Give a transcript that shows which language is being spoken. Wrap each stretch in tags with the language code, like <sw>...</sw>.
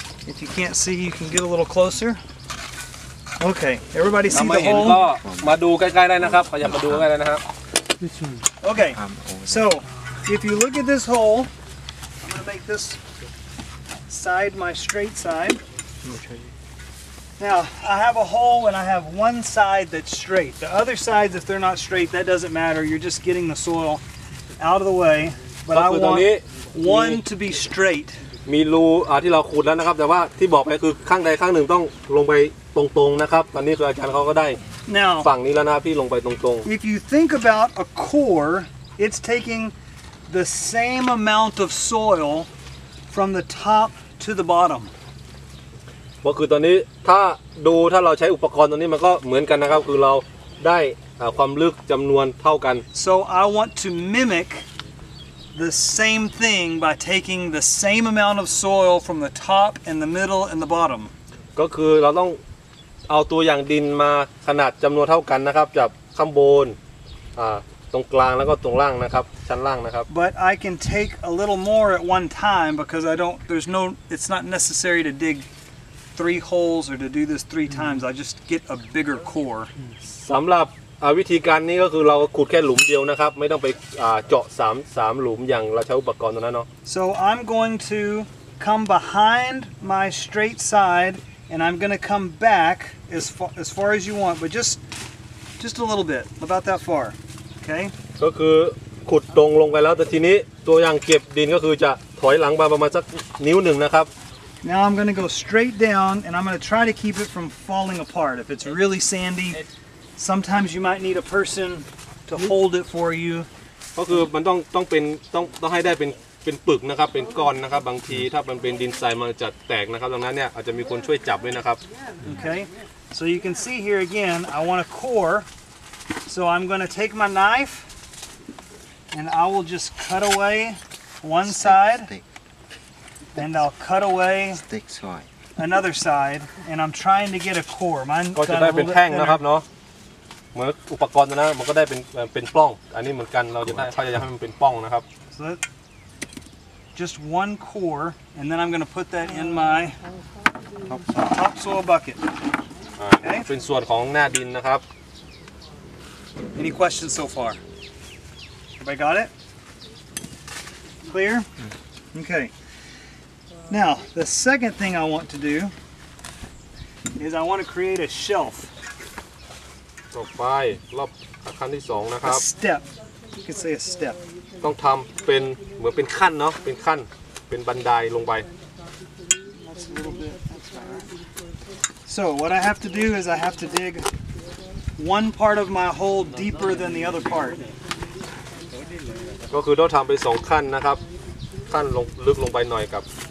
<en>If you can't see you can get a little closer Okay everybody see the hole</en> <th>มาดูใกล้ๆได้นะครับขยับมาดูใกล้ๆนะครับ</th> <en>Okay soIf you look at this hole, I'm going to make this side my straight side. Now, I have a hole and I have one side that's straight. The other sides, if they're not straight, that doesn't matter. You're just getting the soil out of the way. But I want one to be straight.</en> <th>มีรูที่เราขุดแล้วนะครับแต่ว่าที่บอกไปคือข้างใดข้างหนึ่งต้องลงไปตรงๆนะครับตอนนี้คืออาจารย์เขาก็ได้ ฝั่งนี้แล้วนะพี่ลงไปตรง</th> <en>ๆ If you think about a core, it's takingthe same amount of soil from the top to the bottom</en> <th>ก็คือตอนนี้ถ้าดูถ้าเราใช้อุปกรณ์ตัวนี้มันก็เหมือนกันนะครับคือเราได้ความลึกจำนวนเท่ากัน</th> <en>so I want to mimic the same thing by taking the same amount of soil from the top and the middle and the bottom</en> <th>ก็คือเราต้องเอาตัวอย่างดินมาขนาดจำนวนเท่ากันนะครับจากข้างบนตรงกลางแล้วก็ตรงล่างนะครับชั้นล่างนะครับ</th> <en>But I can take a little more at one time because I don't there's no it's not necessary to dig three holes or to do this three times I just get a bigger core</en> <th>สำหรับวิธีการนี้ก็คือเราขุดแค่หลุมเดียวนะครับไม่ต้องไปเจาะ3หลุมอย่างเราใช้อุปกรณ์ตรงนั้นเนาะ</th> <en>So I'm going to come behind my straight side and I'm going to come back as far as you want but just a little bit about that far</en> <th>ก็คือขุดตรงลงไปแล้วแต่ทีนี้ตัวอย่างเก็บดินก็คือจะถอยหลังมาประมาณสักนิ้วหนึ่งนะครับ</th> <en>Now I'm going to go straight down and I'm going to try to keep it from falling apart if it's really sandy sometimes you might need a person to hold it for you</en> <th>ก็คือมันต้องเป็นต้องให้ได้เป็นปึกนะครับเป็นก้อนนะครับบางทีถ้ามันเป็นดินทรายมันจะแตกนะครับดังนั้นเนี่ยอาจจะมีคนช่วยจับด้วยนะครับ</th> <en>Okay so you can see here again I want a coreSo I'm going to take my knife and I will just cut away one side and I'll cut away another side and I'm trying to get a core</en> <th>มันก็จะได้เป็นแท่งนะครับเนาะเหมือนอุปกรณ์นะมันก็ได้เป็นปล้องอันนี้เหมือนกันเราจะได้พยายามให้มันเป็นปล้องนะครับ</th> <en>So just one core and then I'm going to put that in my topsoil bucket</en> <th>เป็นส่วนของหน้าดินนะครับ</th> <en>Any questions so far? Everybody got it? Clear? Okay. Now, the second thing I want to do is I want to create a shelf.</en> <th>ต่อไปรอบขั้นที่สองนะครับ</th> <en>A step. You can say a step.</en> <th>ต้องทำเป็นเหมือนเป็นขั้นเนาะเป็นขั้นเป็นบันไดลงไป</th> <en>So what I have to do is I have to dig. One part of my hole deeper than the other part.</en> <th>ก็คือต้องทำไปสองขั้นนะครับขั้นลงลึกลงไปหน่อยกับ</th>